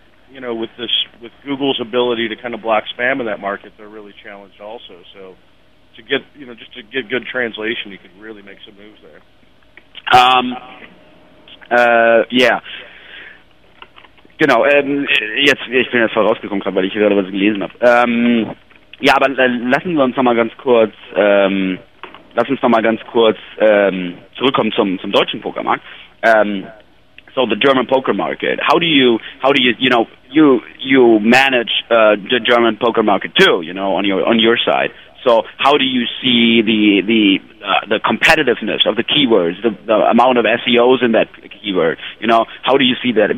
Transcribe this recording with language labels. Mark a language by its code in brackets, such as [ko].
[en] You know, with this, with Google's ability to kind of block spam in that market, they're really challenged also. So to get, you know, just to get good translation, you could really make some moves there. Yeah. [de] Genau, jetzt bin jetzt vorausgekommen gerade, weil ich hier gerade was gelesen habe. Ja, aber lassen wir uns noch mal ganz kurz zurückkommen zum deutschen Pokermarkt. [en] So the German poker market. How do you manage the German poker market too, you know, on your side. So how do you see the competitiveness of the keywords, the amount of SEOs in that keyword, you know, how do you see that?